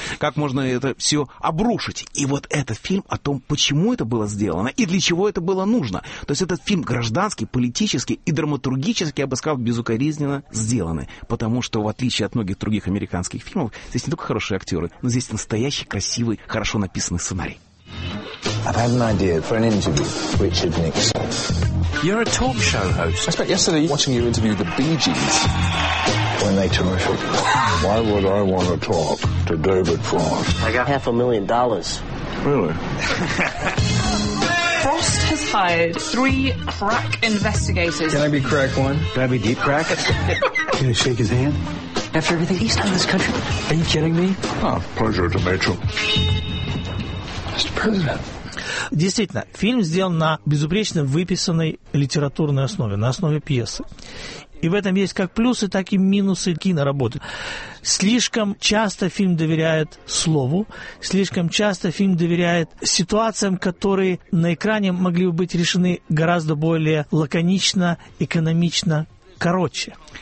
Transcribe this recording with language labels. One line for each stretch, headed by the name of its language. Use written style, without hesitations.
Russian: Как можно это все обрушить? И вот этот фильм о том, почему это было сделано и для чего это было нужно. То есть этот фильм гражданский, политический и драматургически, я бы сказал, безукоризненно сделанный. Потому что, в отличие от многих других американских фильмов, здесь не только хорошие актеры, но здесь настоящий, красивый, хорошо написанный сценарий.
English: I've had an idea for an interview with Richard Nixon. You're a talk show host. I spent yesterday watching you interview the Bee Gees. When they terrific. Why would I want to talk to David Frost? I got $500,000. Really? Frost has hired 3 crack investigators. Can I be crack one? Can I be deep crack? Can I shake his hand? After everything he's done in this country, are you kidding me? Oh, pleasure to meet you. Mr. President.
Russian: Действительно, фильм сделан на безупречно выписанной литературной основе, на основе пьесы. И в этом есть как плюсы, так и минусы киноработы. Слишком часто фильм доверяет слову, слишком часто фильм доверяет ситуациям, которые на экране могли бы быть решены гораздо более лаконично, экономично, короче.